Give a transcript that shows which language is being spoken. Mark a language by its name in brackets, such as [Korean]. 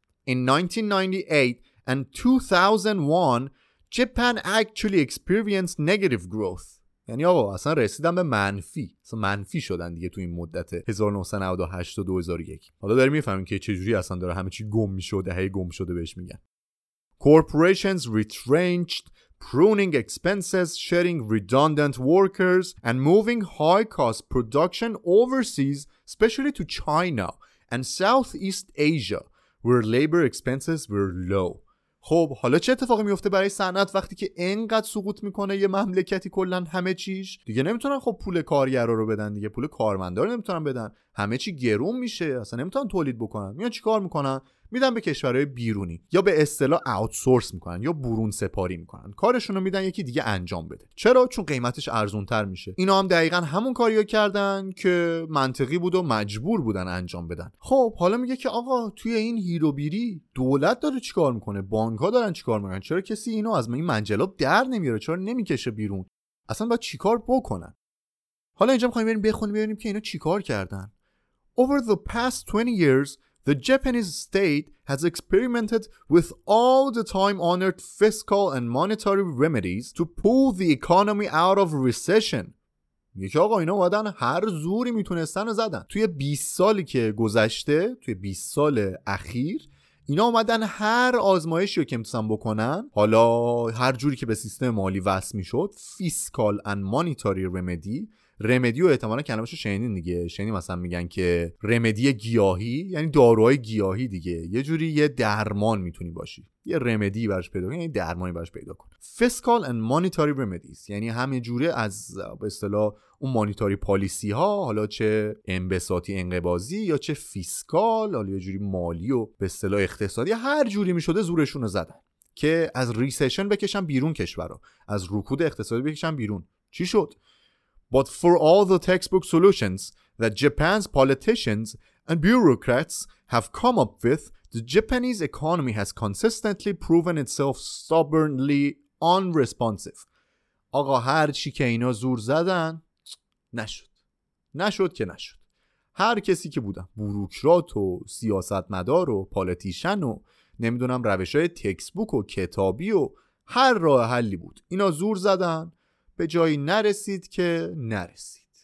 [English] In 1998 and 2001 Japan actually experienced negative growth. [Persian] یعنی آقا اصلا رسیدن به منفی، اصلا منفی شدن دیگه تو این مدت 1998 تا 2001. حالا داریم میفهمیم که چجوری اصلا داره همه چی گم میشه و دهه گم شده بهش میگن. [English] Corporations retrenched, pruning expenses, shedding redundant workers and moving high cost production overseas, especially to China and Southeast Asia where labor expenses were low. [Persian] خب حالا چه اتفاقی میفته برای صنعت وقتی که اینقدر سقوط میکنه یه مملکتی کلن همه چیش؟ دیگه نمیتونن خب پول کارگرا رو بدن، دیگه پول کارمندار نمیتونن بدن، همه چی گرون میشه، اصلا نمیتونن تولید بکنن. میان چیکار میکنن؟ میدن به کشورهای بیرونی، یا به اصطلاح آوتسورس میکنن یا برون سپاری میکنن، کارشون رو میدن یکی دیگه انجام بده. چرا؟ چون قیمتش ارزون تر میشه. اینا هم دقیقا همون کاری رو کردن که منطقی بود و مجبور بودن انجام بدن. خب حالا میگه که آقا توی این هیروبیری دولت داره چیکار میکنه، بانک ها دارن چیکار میکنن، چرا کسی اینو از این منجلاب در نمیاره، چرا نمیکشه بیرون، اصلا باید چیکار بکنن؟ حالا اینجا میخوایم بریم بخونیم ببینیم که اینا چیکار کردن. [English] Over the past 20 years the Japanese state has experimented with all the time-honored fiscal and monetary remedies to pull the economy out of recession. [Persian] یکی آقا اینا اومدن هر زوری میتونستن رو زدن. توی 20 سالی که گذشته، توی 20 سال اخیر، اینا اومدن هر آزمایشی رو که میتونستن بکنن، حالا هر جوری که به سیستم مالی وصل میشد، [English] fiscal and monetary remedy، [Persian] رمدیو احتمالا کلمشو شنیدین دیگه، شنیدین مثلا میگن که رمدی گیاهی، یعنی داروهای گیاهی دیگه، یه جوری یه درمان میتونی باشی، یه رمدی براش پیدا کن، یعنی درمانی براش پیدا کن. فیسکال اند مانیتاری رمدیز، یعنی همه جوره از به اصطلاح اون مانیتاری پالیسی ها، حالا چه انبساطی انقباضی یا چه فیسکال، حالا یه جوری مالی و به اصطلاح اقتصادی، هر جوری میشده زورشون رو زدن که از ریسیشن بکشن بیرون کشورو، از رکود اقتصادی بکشن بیرون. چی شد؟ [English] But for all the textbook solutions that Japan's politicians and bureaucrats have come up with, the Japanese economy has consistently proven itself stubbornly unresponsive. [Persian] آقا هر چی که اینا زور زدن نشد. نشد که نشد. هر کسی که بودن، بوروکرات و سیاستمدار و پالیتیشن و نمیدونم روش‌های تکستبوک و کتابی و هر راه حلی بود، اینا زور زدن به جایی نرسید که نرسید.